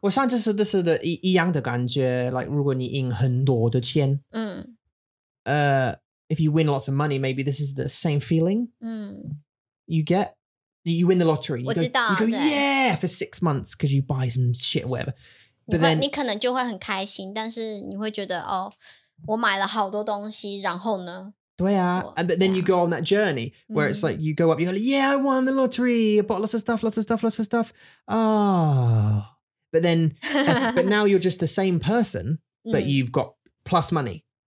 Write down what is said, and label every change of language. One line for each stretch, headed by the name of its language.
Chinese: 我像这是一样的感觉,
English: like,
Chinese: 如果你赢很多的钱,
English: if you win lots of money, maybe this is the same feeling you get. You win the lottery. You go, yeah, for 6 months because you buy some shit or whatever. But then,
Chinese: 你可能就会很开心, 但是你会觉得, 哦, 我买了好多东西, 然后呢? 对啊,
English: and, but then you go on that journey where it's like, you go up, you go, yeah, I won the lottery, I bought lots of stuff. Oh. But then, but now you're just the same person, but you've got plus money.